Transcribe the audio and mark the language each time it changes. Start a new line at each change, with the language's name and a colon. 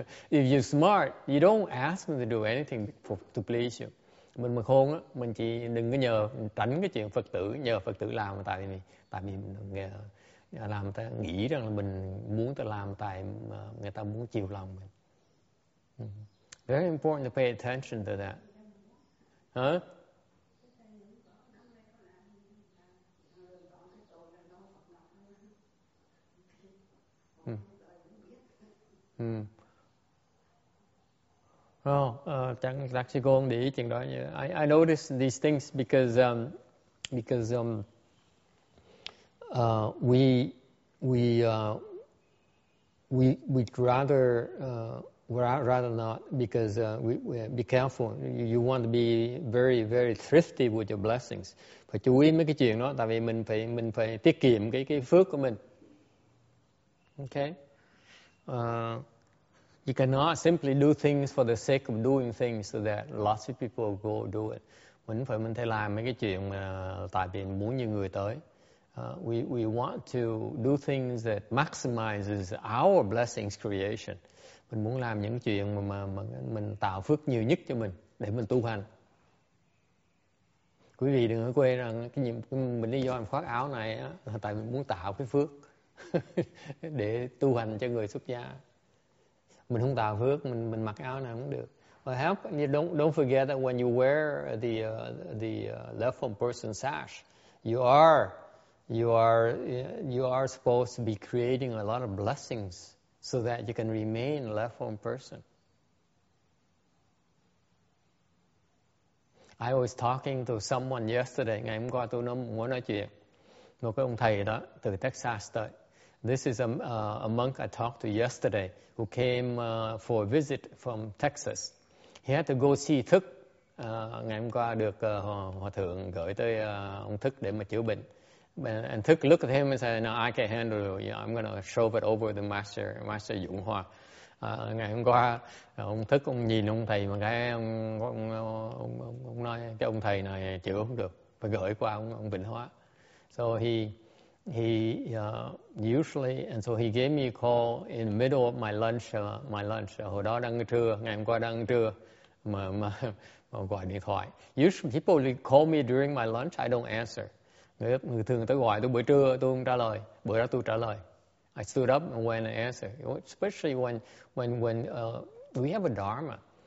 English: If you're smart, you don't ask them to do anything to please you.
Vietnamese: Mình mà khôn á, mình chỉ đừng có nhờ, tránh cái chuyện Phật tử, nhờ Phật tử làm, tại vì làm ta nghĩ rằng là mình muốn ta làm tại người ta muốn chiều lòng mình.
English: Very important to pay attention to that. Huh? I notice these things because we'd rather Rather not, because we be careful. You want to be very, very thrifty with your blessings.
Vietnamese: Phải chú ý mấy cái chuyện đó, tại vì mình phải tiết kiệm cái phước của mình.
English: Okay. You cannot simply do things for the sake of doing things so that lots of people go do it.
Vietnamese: Mình phải làm mấy cái chuyện mà tại vì mình muốn nhiều người tới.
English: We want to do things that maximizes our blessings creation.
Vietnamese: Mình muốn làm những chuyện mà mình tạo phước nhiều nhất cho mình để mình tu hành. Quý vị đừng có quên rằng mình lý do mình khoác áo này là tại mình muốn tạo cái phước để tu hành cho người xuất gia. Mình không tạo phước, mình mặc áo này cũng được.
English: But how, don't forget that when you wear the left home person sash, you are supposed to be creating a lot of blessings so that you can remain a left home person. I was talking to someone yesterday.
Vietnamese: Ngày hôm qua tôi muốn nói chuyện một cái ông thầy đó từ Texas tới.
English: This is a monk I talked to yesterday who came for a visit from Texas. He had to go see Thức.
Vietnamese: Ngày hôm qua được Hòa Thượng gửi tới ông Thức để mà chữa bệnh.
English: And Thức looked at him and said, no, I can't handle it. Yeah, I'm going to shove it over the Master Dũng Hoa.
Vietnamese: Ngày hôm qua, ông Thức ông nhìn ông thầy mà cái ông nói cái ông thầy này chữa không được. Phải gửi qua ông Vĩnh Hóa.
English: So he gave me a call in the middle of my lunch.
Vietnamese: Hồi đó đang ăn trưa, ngày hôm qua đang ăn trưa mà gọi điện thoại.
English: Usually people call me during my lunch, I don't answer.
Vietnamese: Người thường tới gọi tôi buổi trưa, tôi không trả lời. Bữa đó tôi trả lời.
English: I stood up and went and answered. Especially when we have a dharma.